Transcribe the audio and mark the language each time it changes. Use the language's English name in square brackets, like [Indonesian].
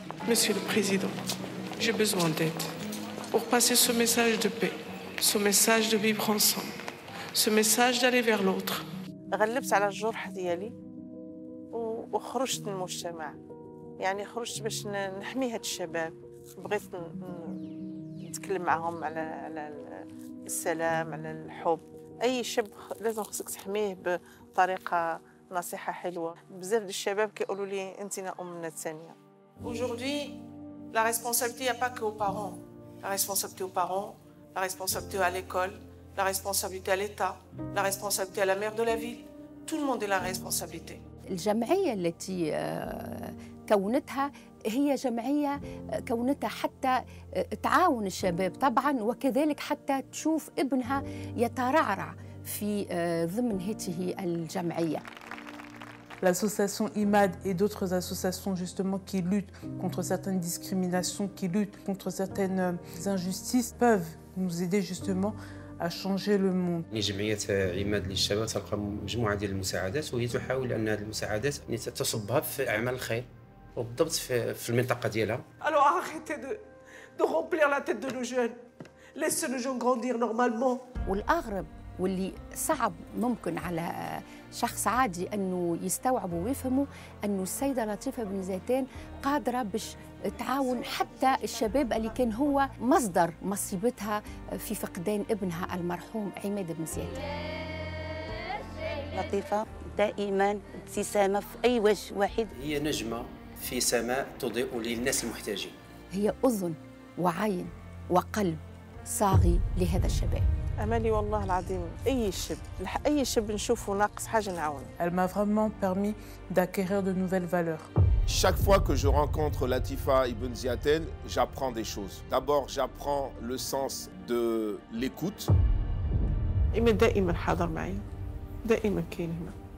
[French] Monsieur le président, j'ai besoin d'aide pour passer ce message de paix, ce message de vivre ensemble, ce message d'aller vers l'autre. [Arabic] غلبت على الجرح ديالي وخرجت من المجتمع، يعني خرجت باش نحمي هاد الشباب. بغيت نتكلم معهم على السلام، على الحب. اي شاب لازم خصك تحميه بطريقه نصيحة حلوة. بزاف ديال الشباب كيقولوا لي انتنا امنا الثانية. [French] Aujourd'hui, la responsabilité n'est pas que aux parents. La responsabilité aux parents, la responsabilité à l'école, la responsabilité à l'État, la responsabilité à la maire de la ville. Tout le monde est la responsabilité. [Arabic] الجمعية التي كونتها هي جمعية كونتها حتى تعاون الشباب طبعا، وكذلك حتى تشوف ابنها يترعرع في ضمن هذه الجمعية. [French] L'association IMAD et d'autres associations justement qui luttent contre certaines discriminations, qui luttent contre certaines injustices, peuvent nous aider justement à changer le monde. [Arabic] جمعية IMAD للشباب تلقى مجموعة ديال المساعدات، وهي تحاول أن هذه المساعدات تصبها في أعمال الخير وبالضبط في المنطقة ديالها. [French] Alors arrêtez de remplir la tête de nos jeunes. Laissez nos jeunes grandir normalement. [Arabic] والأغرب واللي صعب ممكن على شخص عادي انه يستوعب ويفهمه، انه السيده لطيفه بن زيتان قادره باش تعاون حتى الشباب اللي كان هو مصدر مصيبتها في فقدان ابنها المرحوم عماد بن زيتان. لطيفه دائما ابتسامه في اي وجه واحد. هي نجمه في سماء تضيء للناس المحتاجين. هي اذن وعين وقلب صاغي لهذا الشباب. أمالي والله العظيم أي شاب، أي شاب نشوفه ناقص حاجة نعاونه. [French] Elle m'a vraiment permis d'acquérir de nouvelles valeurs. Chaque fois que je rencontre Latifa Ibn Ziaten, j'apprends des choses. D'abord, j'apprends le sens de l'écoute. [Arabic] إيمان دائما حاضر معي، دائما كاين هنا.